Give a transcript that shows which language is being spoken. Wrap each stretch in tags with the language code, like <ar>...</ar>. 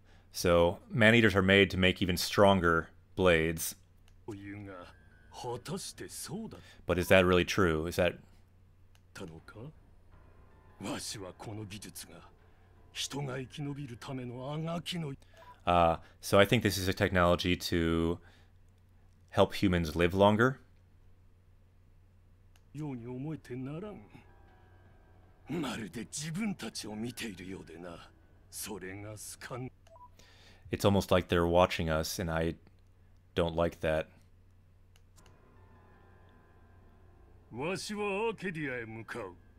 <en>So, man-eaters are made to make even stronger blades.</en> <ja>というが、果たしてそうだ。</ja> <en>But is that really true? Is that...</en> <ja>たのか?わしはこの技術が。人が生き延びるためのあがきの。</ja> <en>So I think this is a technology to help humans live longer.</en> <ja>ように思えてならん。まるで自分たちを見ているようでな。それがすかん。</ja> <en>It's almost like they're watching us, and I don't like that.</en> <ja>わしはアーケディアへ向かう。</ja>